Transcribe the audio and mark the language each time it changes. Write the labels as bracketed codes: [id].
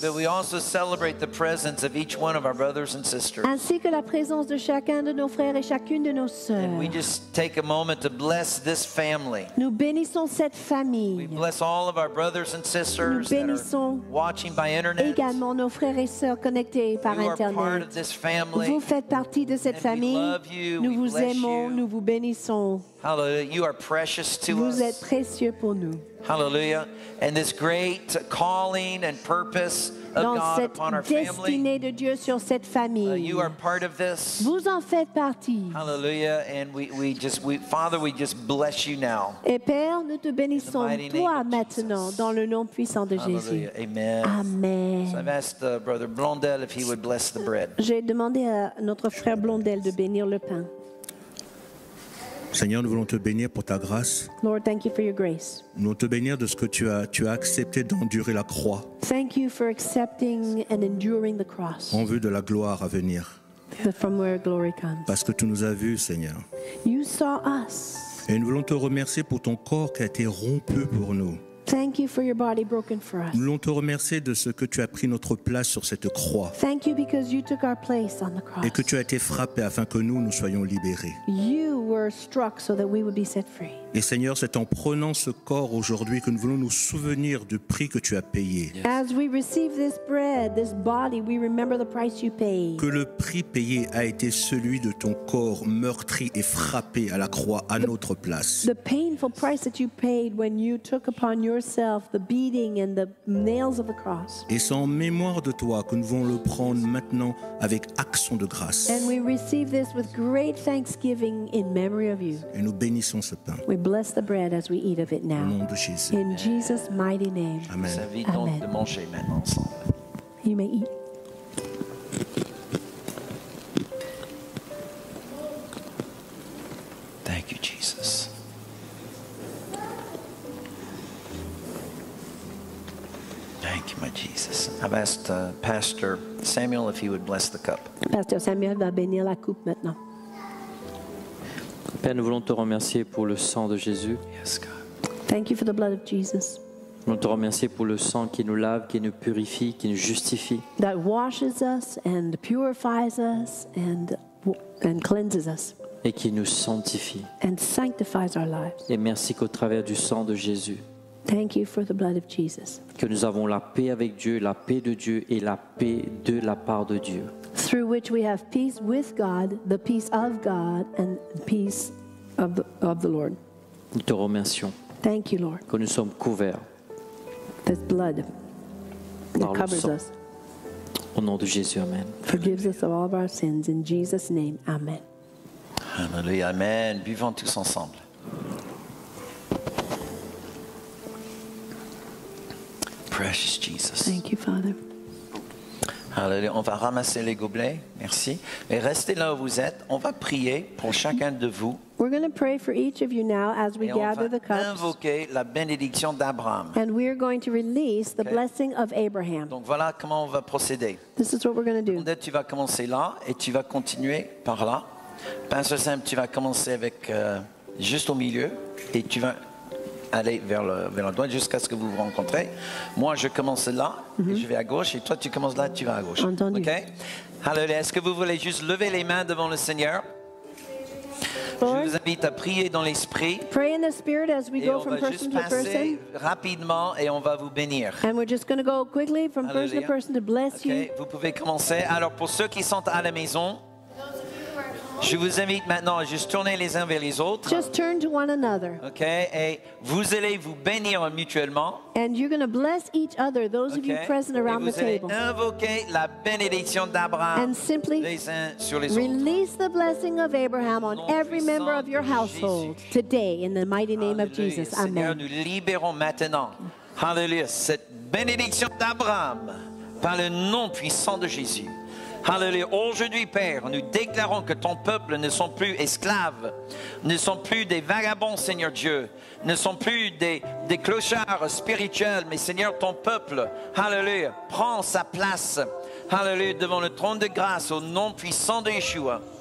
[en] But we also celebrate the presence of each one of our brothers and sisters. [fr] Ainsi que la présence de chacun de nos frères et chacune de nos sœurs. [en] And we just take a moment to bless this family. [fr] Nous bénissons cette famille. [en] We bless all of our brothers and sisters [fr] nous bénissons [en] that are watching by internet. [fr] Également nos frères et sœurs connectés par Internet. Vous faites partie de cette famille. Nous vous aimons, nous vous bénissons. [en] You are precious to [fr] vous Êtes précieux pour nous. [en] Hallelujah. And this great calling and purpose of God upon our family. [fr] De Dieu sur cette famille. [en] You are part of this. [fr] Vous en faites partie. [en] Hallelujah. And we Father, we just bless you now. [fr] Et Père, nous te bénissons toi maintenant dans le nom puissant de Jésus. Amen. Amen. [en] So I've asked Brother Blondel if he would bless the bread. [fr] J'ai demandé à notre frère Blondel de bénir le pain. Seigneur, nous voulons te bénir pour ta grâce. [en] Lord, thank you for your grace. [fr] Nous voulons te bénir de ce que tu as accepté d'endurer la croix. [en] Thank you for accepting and enduring the cross. [fr] En vue de la gloire à venir. [en] From where glory comes. [fr] Parce que tu nous as vus, Seigneur. [en] You saw us. [fr] Et nous voulons te remercier pour ton corps qui a été rompu pour nous. [en] Thank you for your body broken for us. [fr] Nous voulons te remercier de ce que tu as pris notre place sur cette croix. [en] Thank you because you took our place on the cross. [fr] Et que tu as été frappé afin que nous soyons libérés. [en] You were struck so that we would be set free. [fr] Et Seigneur, c'est en prenant ce corps aujourd'hui que nous voulons nous souvenir du prix que tu as payé. [en] Yes. As we receive this bread, this body, we remember the price you paid. [fr] Que le prix payé a été celui de ton corps meurtri et frappé à la croix à notre place. [en] The painful price that you paid when you took upon yourself the beating and the nails of the cross. [fr] Et c'est en mémoire de toi que nous voulons le prendre maintenant avec action de grâce. [en] And we receive this with great thanksgiving in memory of you. [fr] Et nous bénissons ce pain. [en] We bless the bread as we eat of it now. [fr] Au nom de Jésus. [en] In Jesus' mighty name. Amen. [fr] Amen. De manger maintenant ensemble. [en] You may eat. Thank you, Jesus. Thank you, my Jesus. I've asked Pastor Samuel if he would bless the cup. [fr] Pasteur Samuel va bénir la coupe maintenant. Père, nous voulons te remercier pour le sang de Jésus. [en] Yes, God. Thank you for the blood of Jesus. [fr] Nous voulons te remercier pour le sang qui nous lave, qui nous purifie, qui nous justifie. [en] That washes us and purifies us and cleanses us. [fr] Et qui nous sanctifie. [en] And sanctifies our lives. [fr] Et merci qu'au travers du sang de Jésus. [en] Thank you for the blood of Jesus. [fr] Que nous avons la paix avec Dieu, la paix de Dieu et la paix de la part de Dieu. [en] Through which we have peace with God, the peace of God and peace of the Lord. [fr] Nous te remercions. [en] Thank you, Lord. [fr] Que nous sommes couverts. [en] This blood that covers [fr] sang. [en] Us. [fr] Au nom de Jésus, amen. [en] Forgives us of all of our sins in Jesus' name, amen. [fr] Hallelujah, amen. Buvons tous ensemble. [en] Precious Jesus. Thank you, Father. [fr] Alléluia. On va ramasser les gobelets. Merci. Et restez là où vous êtes. On va prier pour chacun de vous. [en] We're going to pray for each of you now as we [fr] et [en] gather the cups. [fr] On va invoquer la bénédiction d'Abraham. [en] And we are going to release the blessing of Abraham. [fr] Donc voilà comment on va procéder. [en] This is what we're going to do. [fr] Blondette, tu vas commencer là et tu vas continuer par là. Pasteur Sam, tu vas commencer avec juste au milieu et tu vas aller vers le droit jusqu'à ce que vous vous rencontrez. Moi, je commence là, et je vais à gauche, et toi, tu commences là, tu vas à gauche. Entendu. Ok. Alléluia. Est-ce que vous voulez juste lever les mains devant le Seigneur? [en] Lord, [fr] je vous invite à prier dans l'esprit. [en] Pray in the spirit as we [fr] et [en] go from person to person. [fr] On va juste passer rapidement et on va vous bénir. [en] And we're just going to go quickly from [fr] Alléluia. [en] Person to person to bless okay. you. [fr] Vous pouvez commencer. Alors, pour ceux qui sont à la maison. Je vous invite maintenant à juste tourner les uns vers les autres. [en] Just turn to one another. [fr] OK, et vous allez vous bénir mutuellement. [en] And you're going to bless each other, those okay. of you present around the table. [fr] Et vous allez invoquer la bénédiction d'Abraham [en] and simply [fr] les uns sur les [en] release [fr] autres. [en] The blessing of Abraham on every member of your household [fr] Jésus. [en] Today in the mighty name [fr] Alléluia. [en] Of Jesus. Amen. [fr] Seigneur, nous libérons maintenant. Hallelujah. Cette bénédiction d'Abraham par le nom puissant de Jésus. Hallelujah. Aujourd'hui, Père, nous déclarons que ton peuple ne sont plus esclaves, ne sont plus des vagabonds, Seigneur Dieu, ne sont plus des clochards spirituels, mais Seigneur, ton peuple, hallelujah, prend sa place, hallelujah, devant le trône de grâce au nom puissant de Yeshua.